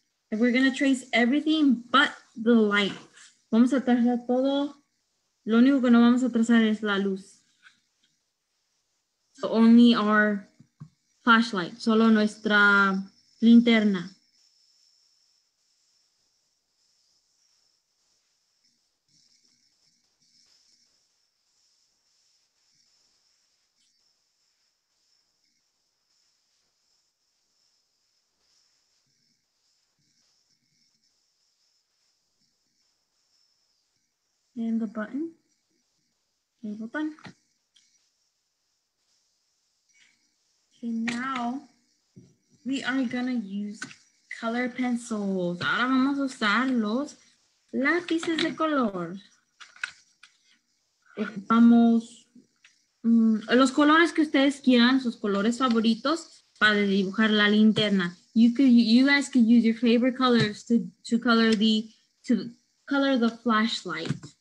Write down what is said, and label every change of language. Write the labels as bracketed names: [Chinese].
[English] And we're going to trace everything but the light. [Spanish] Vamos a trazar todo. Lo único que no vamos a trazar es la luz. [English] So only our flashlight. [Spanish] Solo nuestra linterna. [English] And the button, and the button. Okay, now we are gonna use color pencils. [Spanish] Ahora vamos a usar los lápices de color. Vamos, los colores que ustedes quieran, sus colores favoritos para dibujar la linterna. [English] You guys can use your favorite colors to color the flashlight.